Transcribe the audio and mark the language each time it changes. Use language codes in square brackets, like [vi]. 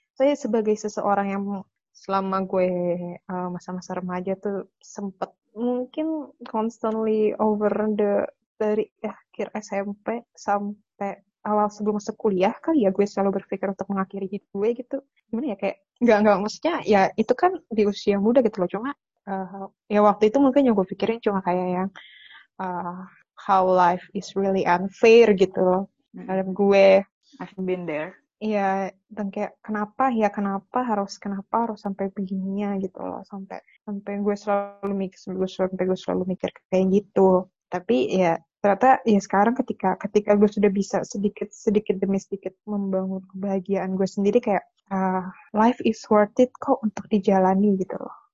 [id] Saya sebagai seseorang yang selama gue masa-masa remaja tuh sempet mungkin [en] constantly over [id] dari akhir SMP sampai awal sebelum masuk kuliah kali ya, gue selalu berpikir untuk mengakhiri hidup gue gitu. Gimana ya, kayak enggak maksudnya ya itu kan di usia muda gitu loh, cuma ya waktu itu mungkin yang gue pikirin cuma kayak yang [en] how life is really unfair [id] gitu loh. Dalam gue. [en] I've been there. [id] Iya, dan kayak kenapa ya kenapa harus sampai begininya gitu loh. Sampai gue selalu mikir kayak gitu. Tapi ya ternyata ya sekarang ketika gue sudah bisa sedikit demi sedikit membangun kebahagiaan gue sendiri, kayak [en] life is worth it [id] kok untuk dijalani gitu loh.